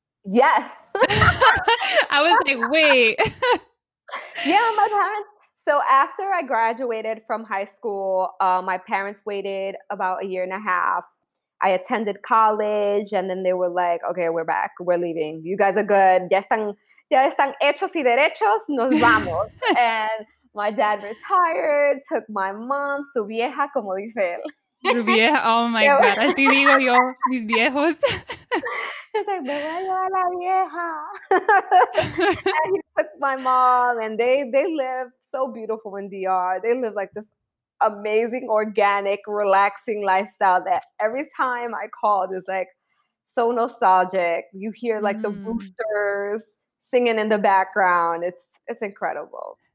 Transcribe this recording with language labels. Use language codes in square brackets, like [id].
[en] Yes. I was like, wait. Yeah, my parents. So after I graduated from high school, my parents waited about a year and a half. I attended college, and then they were like, okay, we're back. We're leaving. You guys are good. [es] Ya están hechos y derechos. Nos vamos. [en] And My dad retired, took my mom, [es] su vieja, como dice él. Su vieja, [en] oh my God, [es] así digo yo, mis viejos. [en] He's like, [es] me voy a la vieja. [en] And he took my mom, and they live so beautiful in DR. They live like this amazing, organic, relaxing lifestyle that every time I called, it's like so nostalgic. You hear like the roosters singing in the background. It's incredible.